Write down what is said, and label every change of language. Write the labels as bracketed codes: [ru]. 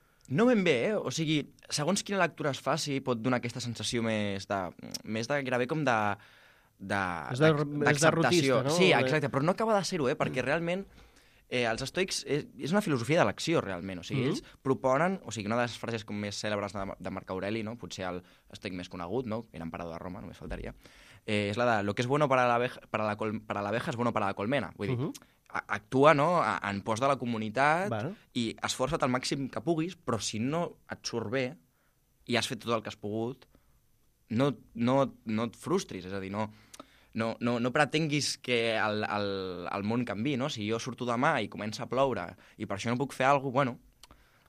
[ca] No ben bé, eh? O sigui, segons quina lectura es faci, pot donar aquesta sensació més de gairebé com d'acceptació. És derrotista, no? Sí, exacte, però no acaba de ser-ho, perquè realment... els estoics és una filosofia de l'acció, realment. O sigui, ells proponen... O sigui, una de les frases com més cèlebres de Marc Aureli, no? Potser l'estoic més conegut, no? Era emperador de Roma, només faltaria. És la de... [es] Lo que es bueno para la abeja es bueno para la colmena. [ca] Vull dir, actua, no?, en pos de la comunitat. Val. I esforça't el màxim que puguis, però si no et surt bé i has fet tot el que has pogut, no et frustris, és a dir, no... No pretenguis que el món canviï, no? Si jo surto demà i comença a ploure i per això no puc fer alguna cosa, bueno,